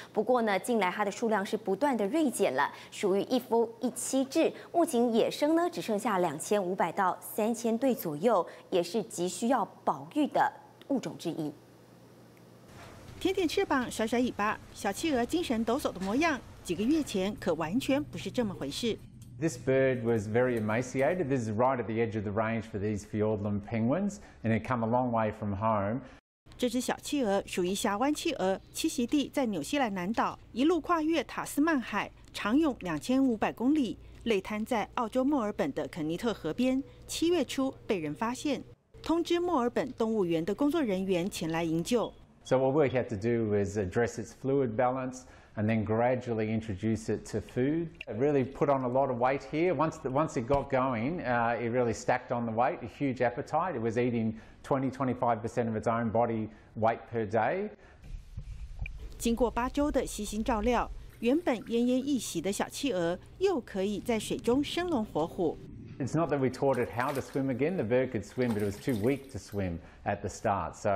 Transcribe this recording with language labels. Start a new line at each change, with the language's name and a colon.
Chinese: 不过呢，近来它的数量是不断的锐减了，属于一夫一妻制，目前野生呢只剩下2500到3000对左右，也是急需要保育的物种之一。舔舔翅膀，甩甩尾巴，小企鹅精神抖擞的模样，几个月前可完全不是这么回事。
English: This bird was very emaciated. This is right at the edge of the range for these Fiordland penguins, and it came a long way from home.
Chinese: 这只小企鹅属于峡湾企鹅，栖息地在纽西兰南岛，一路跨越塔斯曼海，长泳2500公里，累瘫在澳洲墨尔本的肯尼特河边。 7月初被人发现，通知墨尔本动物园的工作人员前来营救。
English: So what we had to do was address its fluid balance and then gradually introduce it to food. It really put on a lot of weight here. Once it got going, it really stacked on the weight, a huge appetite. It was eating 20-25% of its own body weight per day.
Chinese: 经过8周的悉心照料，原本奄奄一息的小企鹅又可以在水中生龙活虎。
English: It's not that we taught it how to swim again. The bird could swim, but it was too weak to swim at the start.